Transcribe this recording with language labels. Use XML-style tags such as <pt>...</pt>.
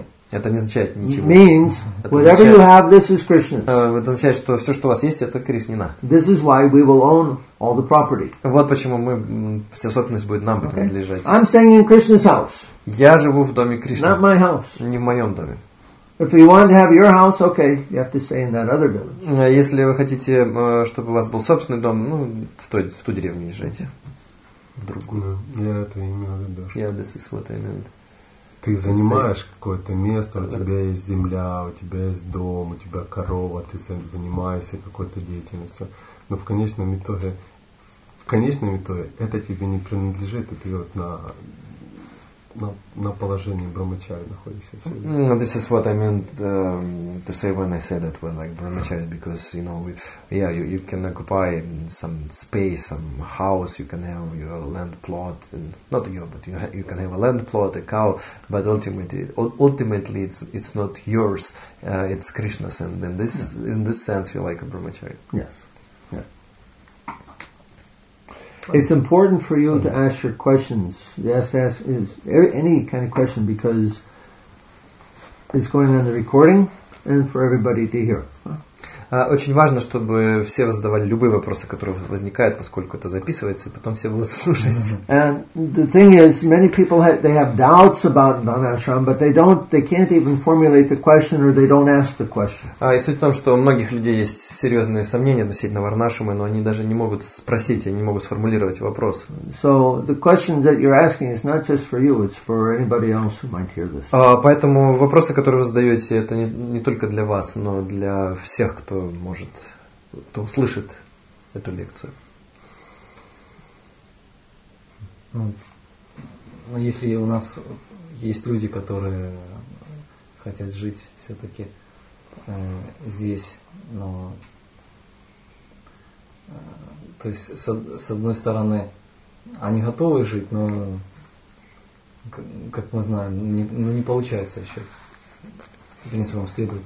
<ru>Это не означает ничего.</ru> <en>Means, whatever you have, this is Krishna's.</en> <ru>Это означает, что все, что у вас есть, это Кришнина.</ru> <en>This is why we will own all the property.</en> <ru>Вот почему мы вся собственность будет нам принадлежать.</ru> <en>Okay. I'm staying in Krishna's house.</en> <ru>Я живу в доме Кришны.</ru> <en>Not my house.</en> <ru>Не в моем доме.</ru> <en>If you want to have your house, okay, you have to stay in that other village.</en> <ru>Если вы хотите, чтобы у вас был собственный дом, ну, в ту деревню езжайте. В другую. Я это имел в виду.</ru> <en>Yeah, this is what I meant.</en> <ru>Ты занимаешь какое-то место, у тебя есть земля, у тебя есть дом, у тебя корова, ты занимаешься какой-то деятельностью. Но в конечном итоге, это тебе не принадлежит, и ты вот на положении брамачари находишься.</ru> <en>No, this is what I meant to say when I said that we're like brahmacharis, because you know, you can occupy some space, some house, you can have your land plot, and not your, but you can have a land plot, a cow, but ultimately it's not yours, it's Krishna's, and in this sense you're like a brahmachari. Yes. It's important for you to ask your questions. Yes, ask is any kind of question because it's going on the recording and for everybody to hear.</en> <ru>Очень важно, чтобы все задавали любые вопросы, которые возникают, поскольку это записывается, и потом все будут слушать.</ru> <en>And the thing is, many people have, they have doubts about Varnashram, but they don't, they can't even formulate the question, or they don't ask the question.</en> <ru>И суть в том, что у многих людей есть серьезные сомнения относительно Варнашрамы, но они даже не могут спросить, они не могут сформулировать вопрос.</ru> <en>So the question that you're asking is not just for you, it's for anybody else who might hear this.</en> <ru>Поэтому вопросы, которые вы задаете, это не только для вас, но для всех, кто может, кто услышит эту лекцию. Ну, если у нас есть люди, которые хотят жить все-таки здесь, но то есть с одной стороны, они готовы жить, но как мы знаем, не получается еще. В принципе, вам следует.</ru>